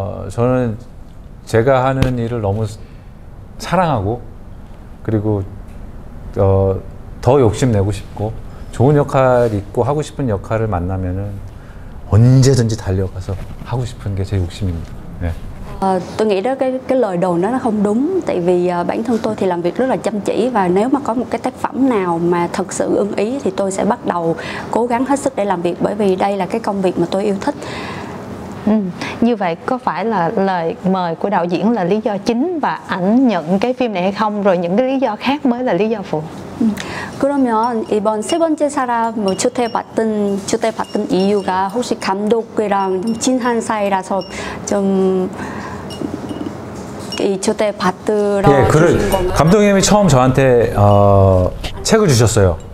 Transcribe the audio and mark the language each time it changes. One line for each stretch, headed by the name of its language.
Korean: 저는 제가 하는 일을 너무 사랑하고 그리고 더 욕심내고 싶고 좋은 역할 있고 하고 싶은 역할을 만나면은 언제든지 달려가서 하고 싶은 게 제 욕심입니다. 네.
Vietnamese: Tôi nghĩ đó cái lời đồn đó nó không đúng. Tại vì bản thân tôi thì làm việc rất là chăm chỉ, và nếu mà có một cái tác phẩm nào mà thật sự ưng ý thì tôi sẽ bắt đầu cố gắng hết sức để làm việc, bởi vì đây là cái công việc mà tôi yêu thích. Như vậy có phải là lời mời của đạo diễn là lý do chính và ảnh nhận cái phim này hay không, rồi những cái lý do khác mới là lý do phụ?
Korean: 그러면 이번 세 번째 사람 뭐 초대받던 이유가 혹시 감독이랑 좀 친한 사이라서 좀 이 초대받더라. 예, 그를 감독님이 처음 저한테 책을 주셨어요.